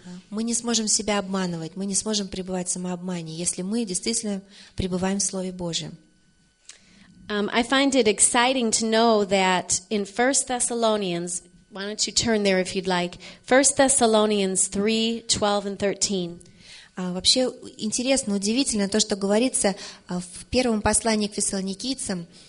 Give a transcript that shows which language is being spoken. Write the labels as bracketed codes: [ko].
[ru] Мы не сможем себя обманывать, мы не сможем пребывать в самообмане, если мы действительно пребываем в Слове Божьем. [en] I find it exciting to know that in 1 Thessalonians, why don't you turn there if you'd like, 1 Thessalonians 3:12 and 13. [ru] Вообще интересно, удивительно то, что говорится в первом послании к Фессалоникийцам.